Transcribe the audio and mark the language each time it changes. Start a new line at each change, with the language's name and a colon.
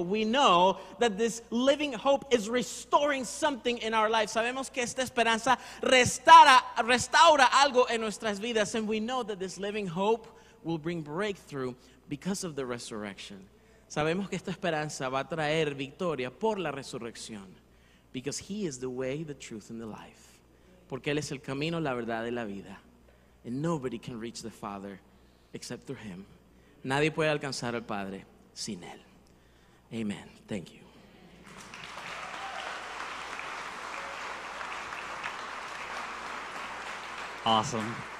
English: We know that this living hope is restoring something in our lives.
Spanish: Sabemos que esta esperanza restaura algo en nuestras vidas.
English: And we know that this living hope will bring breakthrough because of the resurrection.
Spanish: Sabemos que esta esperanza va a traer victoria por la resurrección.
English: Because he is the way, the truth, and the life.
Spanish: Porque él es el camino, la verdad y la vida.
English: And nobody can reach the Father except through him.
Spanish: Nadie puede alcanzar al Padre sin él. Amen.
English: Thank you. Awesome.